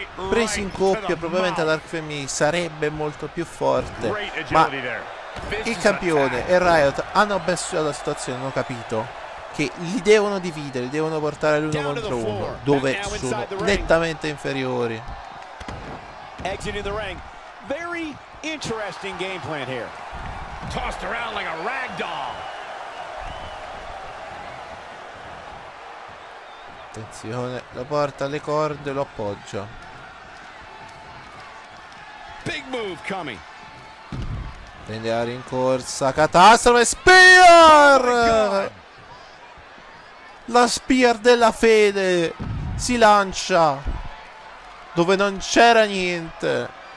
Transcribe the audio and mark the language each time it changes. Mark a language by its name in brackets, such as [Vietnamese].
[Italian] Presi in coppia probabilmente Dark Family sarebbe molto più forte, ma il campione e Riot hanno ben studiato la situazione, hanno capito che li devono dividere, li devono portare l'uno contro uno, dove sono nettamente inferiori. [English] Exiting the ring. Very interesting game plan here. Tossed around like a rag doll. [Italian] Attenzione, lo porta alle corde, lo appoggia. [English] Big move coming. [Italian] Prende la rincorsa, catastrofe, spear! Oh, la spear della fede si lancia dove non c'era niente.